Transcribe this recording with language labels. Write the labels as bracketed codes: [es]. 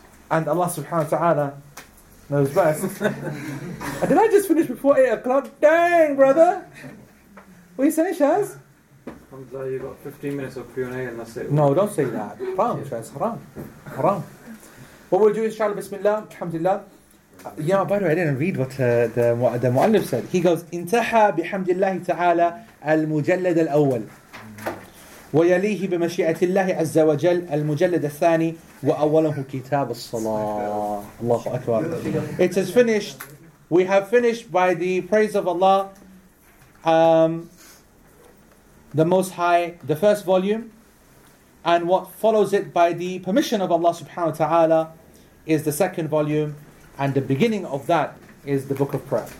[en] And Allah subhanahu wa ta'ala knows best. Did I just finish before 8 o'clock? Dang, brother! What are you saying, Shaz? Alhamdulillah, you got 15 minutes of Q&A and that's it. No, don't say that. Haram, that's haram. Haram. What we'll do, inshallah, bismillah, alhamdulillah. Yeah, by the way, I didn't read what the mu'allif said. He goes, [ar] "Intaha bihamdillah ta'ala al-mujallad al-awwal. ويليه بمشيئة الله عز وجل المجلد الثاني وأوله كتاب الصلاة." الله أكبر. [en] It is finished. We have finished by the praise of Allah, the Most High, the first volume, and what follows it by the permission of Allah subhanahu wa ta'ala is the second volume, and the beginning of that is the Book of Prayer.